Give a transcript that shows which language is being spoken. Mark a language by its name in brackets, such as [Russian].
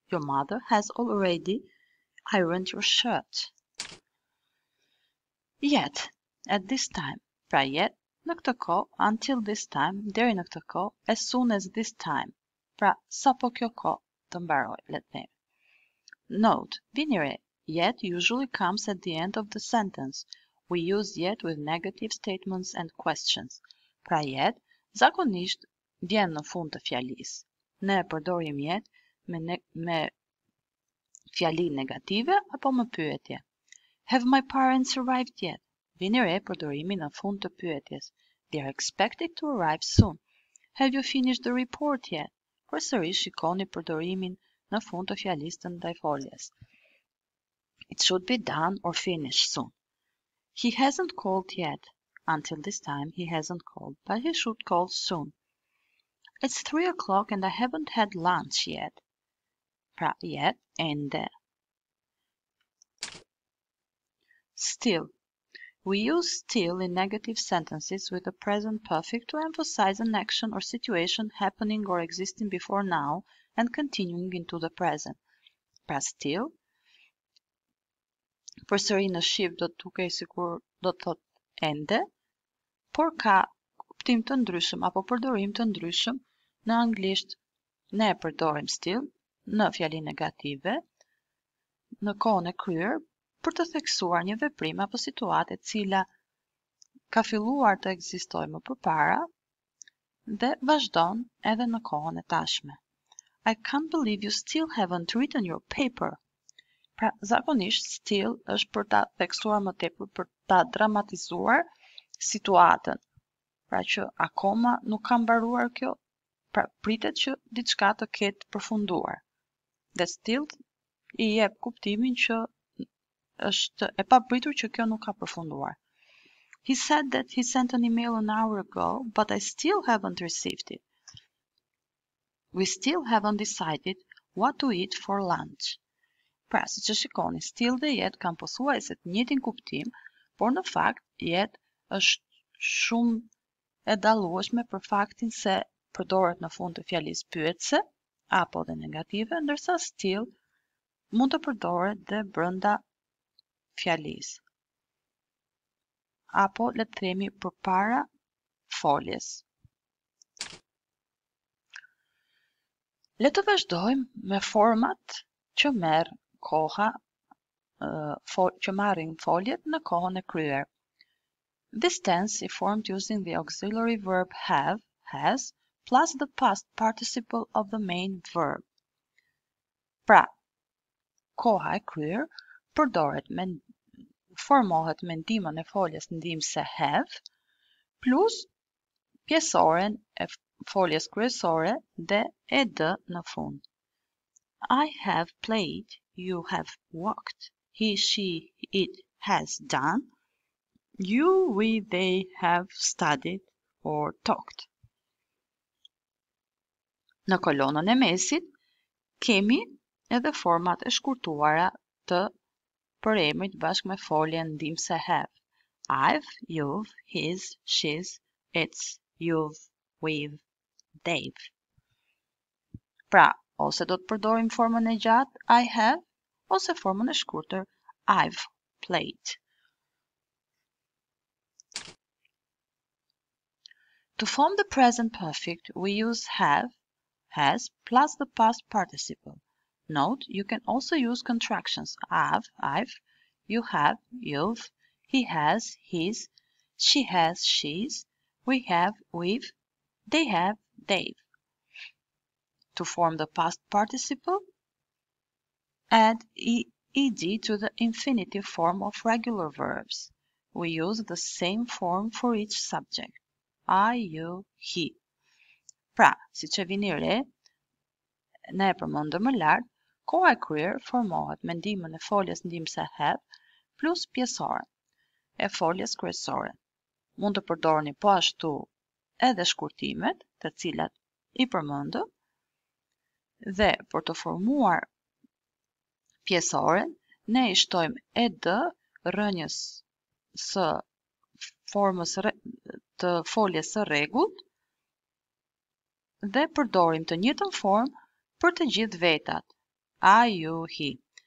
[English] Your mother has already ironed your shirt. Yet, at this time. [Albanian] Pra [English] yet, [Albanian] në këtë kohë, [English] until this time, [Albanian] deri në këtë kohë, [English] as soon as this time. [Albanian] Pra sapo kjo kohë të mbaroj, le të them. [English] Note, vinire, yet usually comes at the end of the sentence. We use yet with negative statements and questions. [Albanian] Pra yet, zakonisht, vjen në fund të fjalisë. Ne përdorim yet me fjali negative apo me pyetje. [English] Have my parents arrived yet? [Albanian] Vini re përdorimi në fund të pyetjes. [English] They are expected to arrive soon. Have you finished the report yet? [Albanian] Përsërisht shikoni përdorimin në fund të fjalisë të ndaj foljes. [English] It should be done or finished soon. He hasn't called yet. Until this time, he hasn't called, but he should call soon. It's 3 o'clock and I haven't had lunch yet. Pra, yet, ende. Still. We use still in negative sentences with the present perfect to emphasize an action or situation happening or existing before now and continuing into the present. [Albanian] Pra, still. Përsëri në shqip do të tukej sikur do të thot ende, por ka kuptim të ndryshëm apo përdorim të ndryshëm në anglisht. Ne e përdorim still në fjali negative, në kohën e kryer, për të theksuar një veprim apo situatë e cila ka filluar të ekzistojë më përpara dhe vazhdon edhe në kohën e tashme. [English] I can't believe you still haven't written your paper. [Albanian] Pra, zakonisht, still është për ta theksuar më tepër, për ta dramatizuar situatën. Pra që akoma nuk ka mbaruar kjo, pra pritet që diçka të ketë përfunduar. Dhe still i jep kuptimin që është e papritur që kjo nuk ka përfunduar. [English] He said that he sent an email an hour ago, but I still haven't received it. We still haven't decided what to eat for lunch. [Albanian] Pra, si që shikoni, still dhe yet kanë pothuajse të njëjtin kuptim, por në fakt, yet është shumë e dallueshme për faktin se përdoret në fund të fjalisë pyetëse, apo dhe negative, ndërsa still mund të përdoret dhe brenda fjalisë. Apo, le të themi, përpara foljes. Le të vazhdojmë me format që merë koha që marrin foljet në kohën e kryer. [English] This tense is formed using the auxiliary verb have, has, plus the past participle of the main verb. [Albanian] Pra, koha e kryer përdoret me formohet me ndimën e foljes ndimëse have, plus pjesoren e foljes kryesore dhe ed në fund. [English] I have played. You have walked. He, she, it has done. You, we, they have studied or talked. [Albanian] Në kolonën e mesit, kemi edhe format e shkurtuara të përemrit bashkë me foljen ndimëse have. [English] I've, you've, his, she's, it's, you've, we've, they've. [Albanian] Pra, ose do të përdorim formën e gjatë, [English] I have, [Albanian] ose formën e shkurtër [English] I've played. To form the present perfect, we use have, has, plus the past participle. Note, you can also use contractions have, I've, you have, you've, he has, his, she has, she's, we have, we've, they have, they've. To form the past participle, add ed to the infinitive form of regular verbs. We use the same form for each subject. I, you, he. [Albanian] Pra, si që vini re, ne e përmendëm më lart, koha e kryer formohet me ndimën e foljes ndimëse have plus pjesore e foljes kryesore. Mund të përdorni po ashtu edhe shkurtimet, të cilat i përmendëm, dhe për të formuar pjesoren, ne i shtojmë ed rënjës së formës të foljes së rregullt dhe përdorim të njëjtën formë për të gjithë vetat. [English] I, you, he.